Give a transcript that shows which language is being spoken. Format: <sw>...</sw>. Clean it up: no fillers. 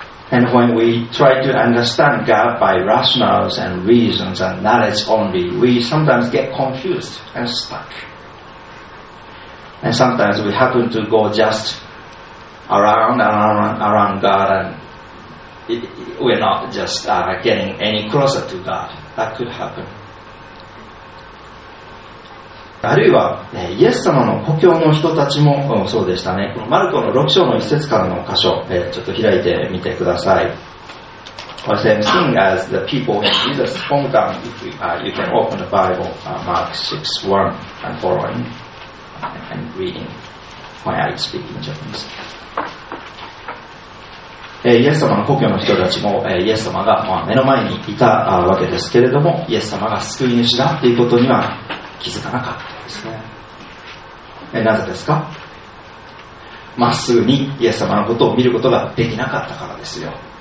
<en>And when we try to understand God by rationales and reasons and knowledge only, we sometimes get confused and stuck. And sometimes we happen to go just around God, and we're not just getting any closer to God. That could happen.</en> <ja>あるいはイエス様の故郷の人たちもそうでしたね。このマルコの6章の1節からの箇所、ちょっと開いてみてください。</ja> <en>The same thing as the people in Jesus' hometown. You can open the Bible, Mark 6:1 and following and reading when I speak in Japanese.</en> <ja>イエス様の故郷の人たちもイエス様が目の前にいたわけですけれども、イエス様が救い主だということには気づかなかったですね。なぜですか？まっすぐにイエス様のことを見ることができなかったからですよ。</ja>